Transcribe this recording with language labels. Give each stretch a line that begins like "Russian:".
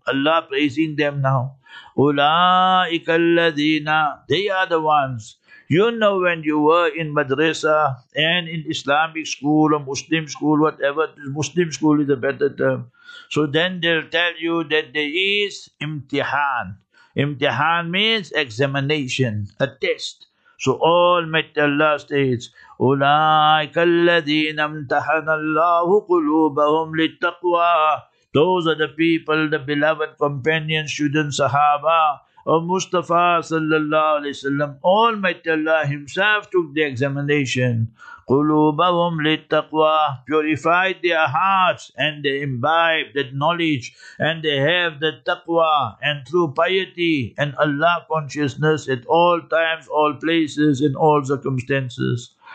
English: Allah praising them now.
Arabic: Ulaika alladhina,
English: they are the ones. You know, when you were in madrasa and in Islamic school or Muslim school, whatever, Muslim school is a better term. So then they'll tell you that there is imtihan. Imtihan means examination, a test. So all Mighty Allah states,
Arabic: أُولَٰئِكَ الَّذِينَ امْتَحَنَ اللَّهُ قُلُوبَهُمْ لِلتَّقْوَىٰ.
English: Those are the people, the beloved companions, students, Sahaba of Mustafa sallallahu alayhi wa sallam. All Mighty Allah himself took the examination.
Arabic: قُلُوبَهُمْ لِلتَّقْوَىٰ.
English: Purified their hearts and they imbibe that knowledge and they have the taqwa and true piety and Allah consciousness at all times, all places, in all circumstances.